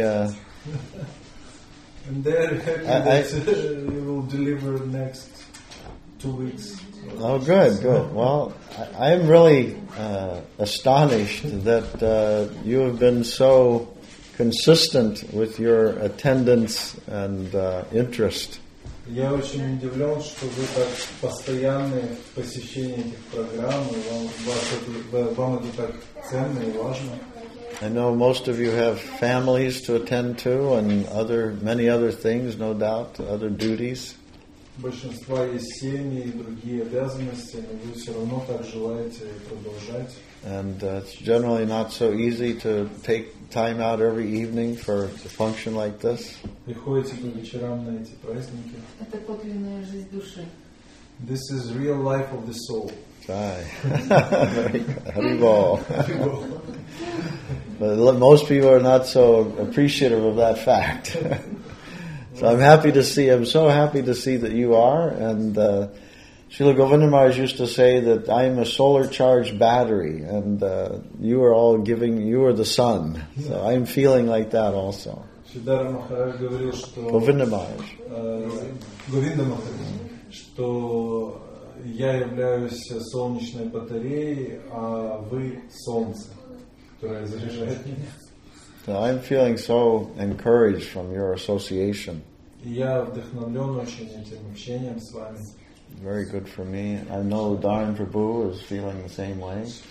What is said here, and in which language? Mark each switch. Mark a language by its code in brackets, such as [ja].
[en] And they're happy that you will deliver next 2 weeks. Oh, good, good. Well, I'm really astonished that you have been so consistent with your attendance and interest. [ru] Я очень удивлен, что вы так постоянны в посещении этих программ, и вам это так ценно и важно. [en] I know most of you have families to attend to and many other things, no doubt, other duties. [ru] Большинство есть семьи и другие обязанности, но вы все равно так желаете продолжать. [en] And it's generally not so easy to take time out every evening for a function like this. [ru] Приходите по вечерам на эти праздники. Это подлинная жизнь души. [en] This is real life of the soul. Hi. Haribol. But most people are not so appreciative of that fact. So I'm happy to see. I'm so happy to see that you are. And Srila Govinda Maharaj used to say that I am a solar charged battery, and you are all giving. You are the sun. So I am feeling like that also. [ru] Siddhartha Maharaj говорил, что Govinda Maharaj. Govinda Maharaj, что я являюсь солнечной батареей, а вы солнце, которое заряжает меня. [en] So I'm feeling so encouraged from your association. Very good for me. I know Dharam Prabhu is feeling the same way.